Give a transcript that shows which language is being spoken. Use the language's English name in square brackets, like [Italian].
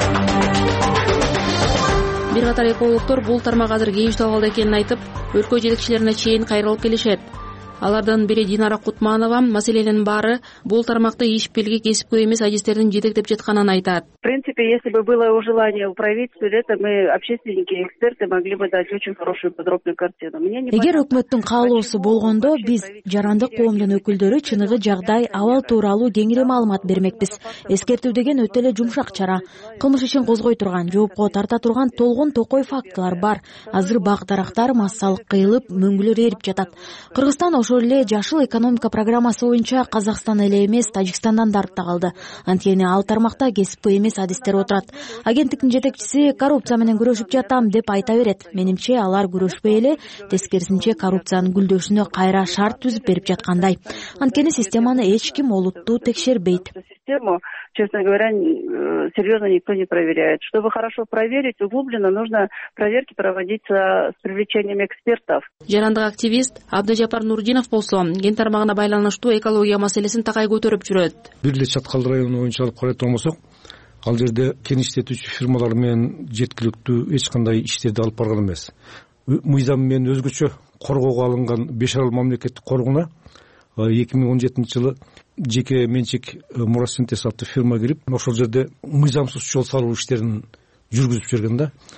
[Kyrgyz] Бир катар экологдор бул тармак азыр кеңештүү абалда экенин айтып өлкө жетекчилерине чейин кайрылып келишет. Алардын бири Динара Кутманова маселенин баары бул тармакты иш белги кесипкөй эмес адистердин жетектеп жатканын айтат. [Russian] В принципе, если бы было желание у правительства, мы общественники, эксперты могли бы дать очень хорошую подробную картину. [Kyrgyz] Эгер өкмөттүн каалоосу болгондо биз жарандык коомдун өкүлдөрү чыныгы жагдай, абал тууралуу кеңири маалымат бермекпиз. Эскертүү деген өтө эле жумшак чара. Кылмыш ишин козгой турган, жоопко тарта турган толгон токой фактылар бар. Азыр бак дарактар массалык кыйылып, мөңгүлөр эрип жатат. Кыргызстан ошол эле жашыл экономика программасы боюнча Казакстан эле эмес Тажикстандан да артта калды. Анткени ал тармакта кесипкөй эмес адистер отурат. Агенттиктин жетекчиси коррупция менен күрөшүп жатам деп айта берет. Менимче алар күрөшпөй эле тескерисинче коррупциянын гүлдөшүнө кайра шарт түзүп берип жаткандай. Анткени системаны эч ким олуттуу текшербейт. [Russian] Систему, честно говоря, серьезно никто не проверяет. Чтобы хорошо проверить, углубленно нужно проверки проводить с привлечением экспертов. [Kyrgyz] Жарандык активист Абдыжапар Нурдинов болсо, кен тармагына байланыштуу экология маселесин такай көтөрүп жүрөт. Бир эле Чаткалды району боюнча алып карайт болмосок, Ал жерде кеңиштетүүчү фирмалар менен жеткиликтүү эч кандай иштерди алып барган эмес. Мыйзам менен өзгөчө коргоого алынган Беш Арал мамлекеттик коргуна 2017 жылы жеке менчик Муросинтез аттуу фирма кирип, ошол жерде мыйзамсыз жол салуу иштерин жүргүзүп жүргөн да.